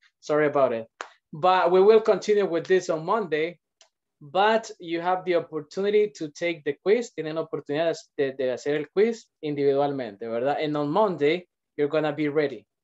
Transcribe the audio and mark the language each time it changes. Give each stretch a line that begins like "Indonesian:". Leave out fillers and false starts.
English: Sorry about it, but we will continue with this on Monday, but you have the opportunity to take the quiz.
Spanish: Tienen la oportunidad de hacer el quiz individualmente, ¿verdad?
English: And on Monday, you're going to be ready.